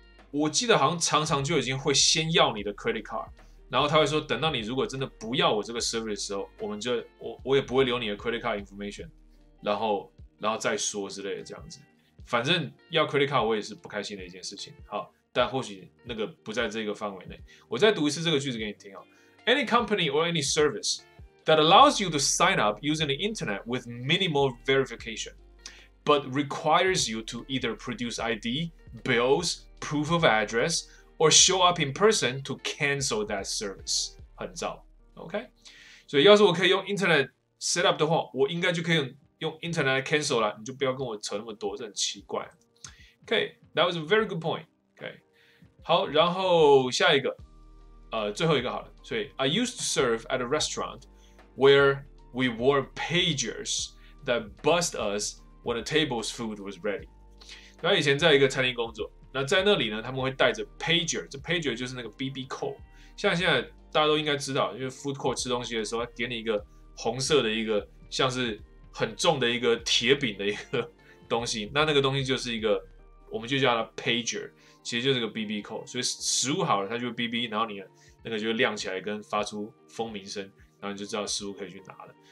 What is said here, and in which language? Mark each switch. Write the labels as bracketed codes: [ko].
[zh] 我记得好像常常就已经会先要你的 credit card， 然后他会说，等到你如果真的不要我这个 service 的时候，我也不会留你的 credit card information， 然后再说之类的这样子。反正要 credit card 我也是不开心的一件事情。好，但或许那个不在这个范围内。我再读一次这个句子给你听哦。 [en] Any company or any service that allows you to sign up using the internet with minimal verification, but requires you to either produce ID, bills. Proof of address or show up in person to cancel that service， [zh] 很糟 [en] ，OK？ [zh] 所以要是我可以用 Internet set up 的话，我应该就可以用 Internet cancel 了。你就不要跟我扯那么多，这很奇怪。 [en] OK， that was a very good point。 [zh] OK， 好，然后下一个，最后一个好了。 [en] 所以 I used to serve at a restaurant where we wore pagers that buzzed us when the table's food was ready。 [zh] 那以前在一个餐厅工作。那在那里呢，他们会带着 pager， 这 pager 就是那个 BB call， 像现在大家都应该知道，因为 food court 吃东西的时候，他给你一个红色的一个像是很重的一个铁饼的一个东西，那个东西就是一个，我们就叫它 pager， 其实就是个 BB call， 所以食物好了，它就 BB， 然后你那个就亮起来跟发出蜂鸣声，然后你就知道食物可以去拿了。